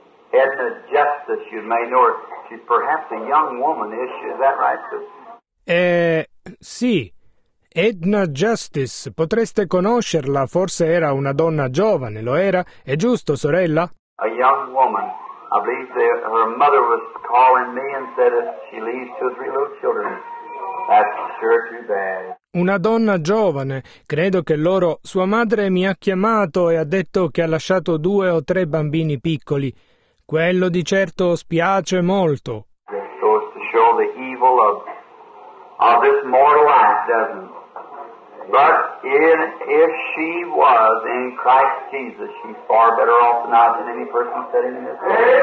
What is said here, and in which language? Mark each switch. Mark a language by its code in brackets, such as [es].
[en] Edna Justice, you may know her. She's perhaps a young woman, is she? Is that right, sir? [it] Sì. Edna Justice, potreste conoscerla. Forse era una donna giovane, lo era. È giusto, sorella? [en] A young woman. I believe that her mother was calling me and said if she leaves two or three little children, that's sure too bad. [it] Una donna giovane, credo che loro, sua madre mi ha chiamato e ha detto che ha lasciato due o tre bambini piccoli. Quello di certo spiace molto. [en] So it's to show the evil of this mortal life, doesn't it? But if she was in Christ Jesus, she's far better off now than any person sitting in this room.